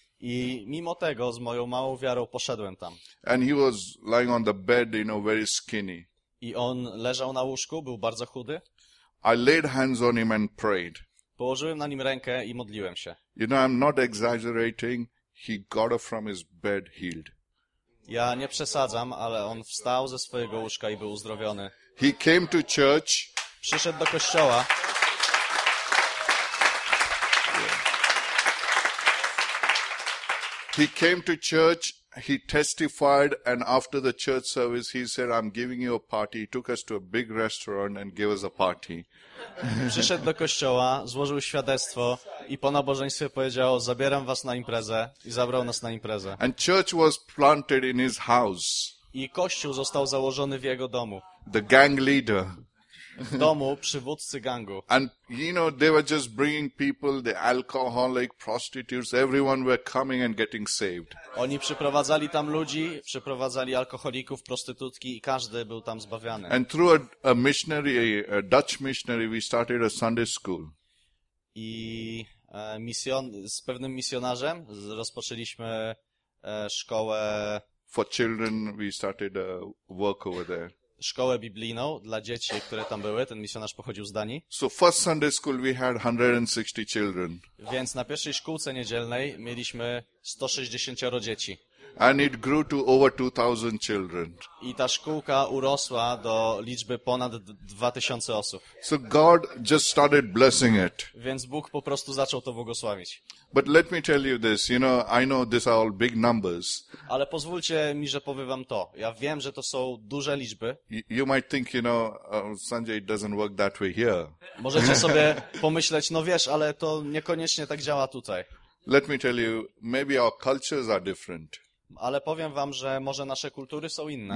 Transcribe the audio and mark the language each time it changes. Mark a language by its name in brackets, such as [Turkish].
[Polish] I mimo tego z moją małą wiarą poszedłem tam. [English] And he was lying on the bed, you know, very skinny. [Polish] I on leżał na łóżku, był bardzo chudy. [English] I laid hands on him and prayed. [Polish] Położyłem na nim rękę i modliłem się. [English] You know, I'm not exaggerating. He got up from his bed healed. [Polish] Ja nie przesadzam, ale on wstał ze swojego łóżka i był uzdrowiony. [English] He came to church. [Polish] Przyszedł do kościoła. [English] He came to church. He testified, and after the church service, he said, I'm giving you a party. He took us to a big restaurant and gave us a party. [Polish] Przyszedł do kościoła, złożył świadectwo i po nabożeństwie powiedział, zabieram was na imprezę i zabrał nas na imprezę. [English] And church was planted in his house. [Polish] I kościół został założony w jego domu. [English] The gang leader. [Polish] W domu przywódcy gangu. [English] And you know, they were just bringing people, the alcoholic, prostitutes, everyone were coming and getting saved. [Polish] Oni przyprowadzali tam ludzi, przyprowadzali alkoholików, prostytutki i każdy był tam zbawiany. [English] And through a missionary, a Dutch missionary, we started a Sunday school. [Polish] I z pewnym misjonarzem rozpoczęliśmy szkołę. [English] For children, we started a work over there. [Polish] Szkołę biblijną dla dzieci, które tam były. Ten misjonarz pochodził z Danii. [English] So first Sunday school we had 160 children. [Polish] Więc na pierwszej szkółce niedzielnej mieliśmy 160 dzieci. [English] And it grew to over 2000 children. [Polish] I ta szkółka urosła do liczby ponad 2000 osób. [English] So God just started blessing it. [Polish] Więc Bóg po prostu zaczął to błogosławić. [English] But let me tell you this, you know, I know these are all big numbers. [Polish] Ale pozwólcie mi, że powiem wam to. Ja wiem, że to są duże liczby. [English] You might think, you know, Sanjay, it doesn't work that way here. [Polish] Możecie sobie pomyśleć, no wiesz, ale to niekoniecznie tak działa tutaj. [English] Let me tell you, maybe our cultures are different. [Polish] Ale powiem wam, że może nasze kultury są inne.